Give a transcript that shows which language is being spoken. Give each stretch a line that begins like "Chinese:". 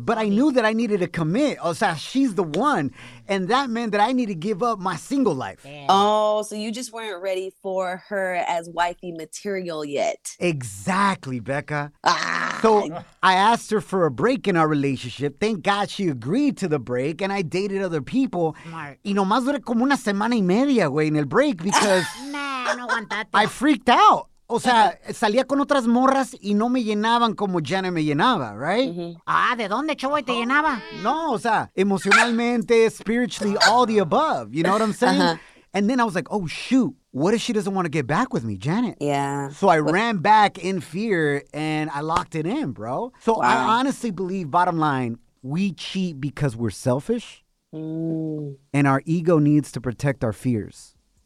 English: But I knew that I needed to commit. O sea, she's the one. And that meant that I need to give up my single life. Damn. Oh, so you just weren't ready for her as wifey material yet. Exactly, Becca. Ah. So I asked her for a break in our relationship. Thank God she agreed to the break. And I dated other people. Smart.
Spanish: Y nomás duré como una semana y media, güey, en el break.
English: Because I freaked out.
Spanish: O sea, salía con otras morras y no me llenaban como Janet me llenaba,
English: right? Mm-hmm.
Spanish: Ah, ¿de dónde, Choboy, te llenaba? No, o sea, emocionalmente,
English: spiritually, all the above. You know what I'm saying? Uh-huh. And then I was like, oh, shoot. What if she doesn't want to get back with me, Janet? Yeah. So I ran back in fear and I locked it in, bro. So wow. I honestly believe, bottom line, we cheat because we're selfish. And our ego needs to protect our fears.